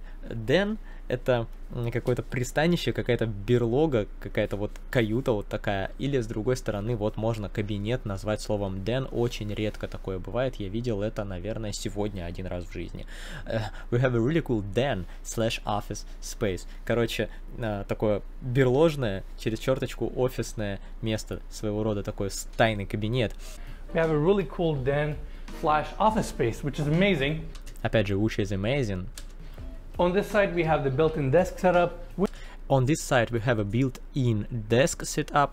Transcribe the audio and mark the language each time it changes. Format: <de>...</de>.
<ru>Den — это какое-то пристанище, какая-то берлога, какая-то вот каюта вот такая. Или с другой стороны, вот можно кабинет назвать словом</ru> <en>den.</en> <ru>Очень редко такое бывает. Я видел это, наверное, сегодня один раз в жизни.</ru> <en>We have a really cool den slash office space.</en> <ru>Короче, такое берложное, через черточку, офисное место. Своего рода такой тайный кабинет.</ru> <en>We have a really cool den slash office space, which is amazing.</en> <ru>Опять же,</ru> <en>which is amazing. On this side we have the built-in desk setup. On this side we have a built-in desk setup.</en>